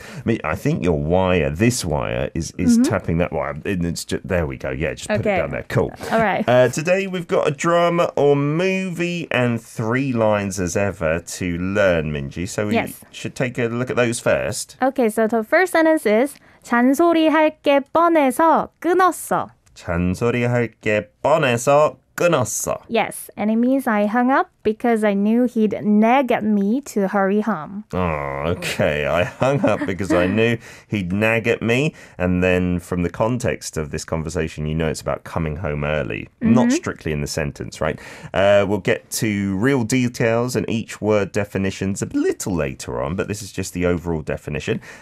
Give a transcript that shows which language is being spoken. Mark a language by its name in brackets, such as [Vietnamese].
[English] I mean, I think your wire, this wire, is tapping that wire. And it's just, there we go. Yeah, just put it down there. Cool. All right. Today we've got a drama or movie and three lines as ever to learn, Minji. So we should take a look at those first. [Korean] Okay, so the first sentence is 잔소리 할 게 뻔해서 끊었어. 잔소리 할 게 뻔해서 끊었어. [English] Yes, and it means I hung up because I knew he'd nag at me to hurry home. Oh, okay. I hung up because I knew he'd nag at me. And then from the context of this conversation, you know it's about coming home early. Mm-hmm. Not strictly in the sentence, right? We'll get to real details and each word definitions a little later on, but this is just the overall definition.